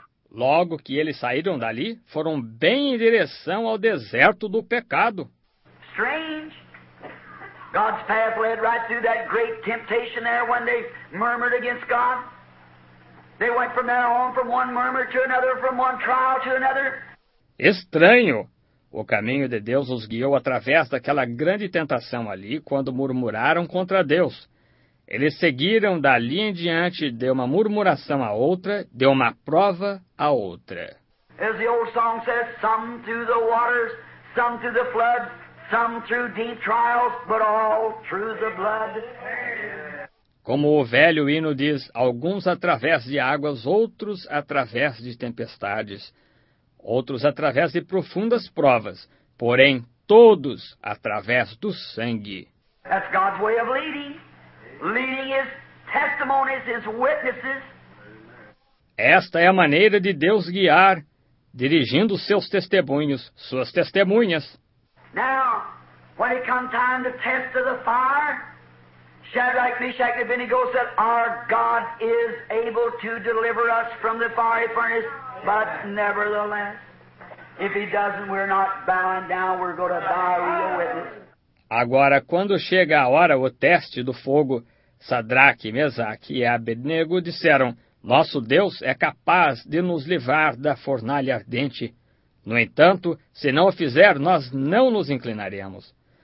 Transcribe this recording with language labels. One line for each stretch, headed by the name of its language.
Portuguese: Logo que eles saíram dali, foram bem em direção ao deserto do pecado.
English: Strange. God's path led right through that great temptation there when they murmured against God. They went from there on from one murmur to another, from one trial to another.
Portuguese: Estranho! O caminho de Deus os guiou através daquela grande tentação ali, quando murmuraram contra Deus. Eles seguiram dali em diante de uma murmuração a outra, de uma prova a outra.
English: As the old song says, some through the waters, some through the floods, some through deep trials, but all through the blood.
Portuguese: Como o velho hino diz, alguns através de águas, outros através de tempestades. Outros através de profundas provas, porém todos através do sangue.
English: That's God's way of leading. Leading his testimonies, his witnesses.
Portuguese: Esta é a maneira de Deus guiar, dirigindo seus testemunhos, suas testemunhas.
English: Now, when it comes time to test of the fire, Shadrach, Meshach, and Abednego said, our God is able to deliver us from the fiery furnace. But nevertheless, if he doesn't, we're not bowing down, we're going to die with witness.
Portuguese: Agora, quando chega a hora, o teste do fogo, Sadraque, Mesaque e Abednego disseram, nosso Deus é capaz de nos livrar da fornalha ardente. No entanto, se não o fizer, nós não nos inclinaremos.